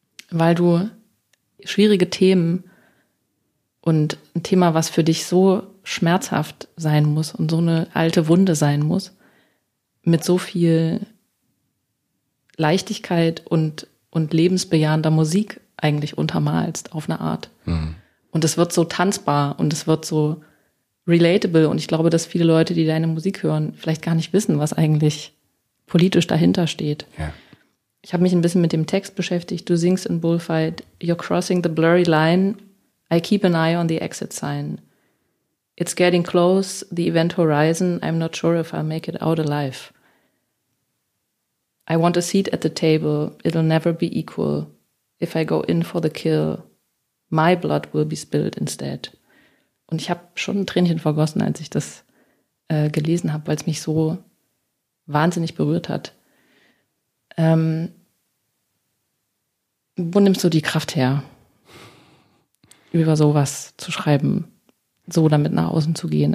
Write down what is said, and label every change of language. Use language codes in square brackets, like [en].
[de] weil du schwierige Themen und ein Thema, was für dich so schmerzhaft sein muss und so eine alte Wunde sein muss, mit so viel Leichtigkeit und lebensbejahender Musik eigentlich untermalst auf eine Art. Mhm. Und es wird so tanzbar und es wird so relatable. Und ich glaube, dass viele Leute, die deine Musik hören, vielleicht gar nicht wissen, was eigentlich politisch dahinter steht. Ja. Ich habe mich ein bisschen mit dem Text beschäftigt. Du singst in [en] Bullfight, you're crossing the blurry line, I keep an eye on the exit sign. It's getting close, the event horizon, I'm not sure if I'll make it out alive. I want a seat at the table, it'll never be equal. If I go in for the kill, my blood will be spilled instead. [de] Und ich habe schon ein Tränchen vergossen, als ich das gelesen habe, weil es mich so wahnsinnig berührt hat. Wo nimmst du die Kraft her, über sowas zu schreiben, so damit nach außen zu gehen?